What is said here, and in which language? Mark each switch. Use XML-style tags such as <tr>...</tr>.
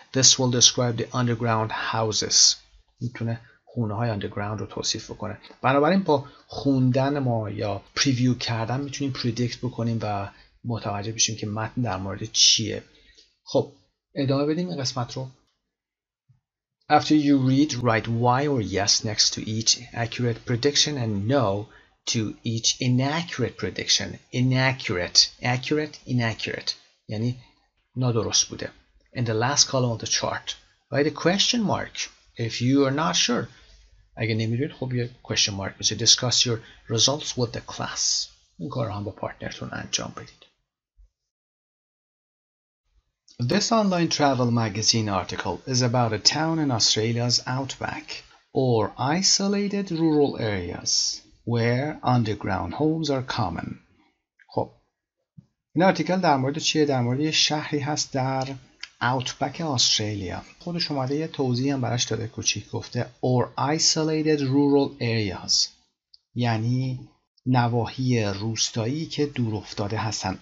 <en>This will describe the underground houses.</en> <fa>میتونه خونه های underground رو توصیف بکنه. بنابراین با خوندن ما یا preview کردن میتونیم predict بکنیم و متوجه بشیم که متن در مورد چیه. خب ادامه بدیم این قسمت رو.</fa> <en>After you read, write why or yes next to each accurate prediction and no to each inaccurate prediction. Inaccurate. Accurate, inaccurate.</en> <fa>یعنی نادرست بوده.</fa> <en>In the last column of the chart, write a question mark. If you are not sure,</en> <fa>اگه نمیدونید خب یه question mark بذارید.</fa> <en>Discuss your results with the class.</en> <fa>این کار رو هم با پارتنرتون انجام بدید.</fa> <en>This online travel magazine article is about a town in Australia's outback or isolated rural areas where underground homes are common.</en> <fa>خب این آرتیکل در مورد چیه؟ در مورد یه شهری هست در outback استرالیا. خودش اومده یه توضیحی هم براش داده کوچیک، گفته</fa> <en>or isolated rural areas،</en> <fa>یعنی نواحی روستایی که دور افتاده هستن.</fa>